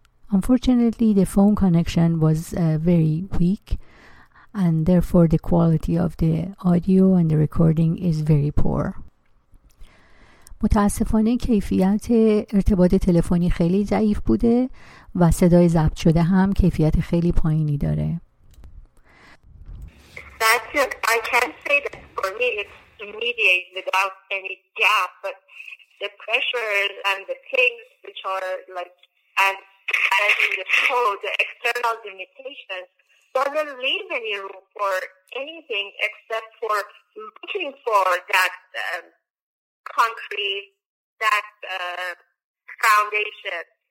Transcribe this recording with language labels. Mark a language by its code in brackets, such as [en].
[en] Unfortunately, the phone connection was very weak and therefore the quality of the audio and the recording is very poor. [fa] متاسفانه کیفیت ارتباط تلفنی خیلی ضعیف بوده و صدای ضبط شده هم کیفیت خیلی پایینی داره. [en] I can't say that for me it's immediate without any gap, but the pressures and the things which are like, and as in the code, the external limitations doesn't leave any room for anything except for looking for that concrete, that foundation.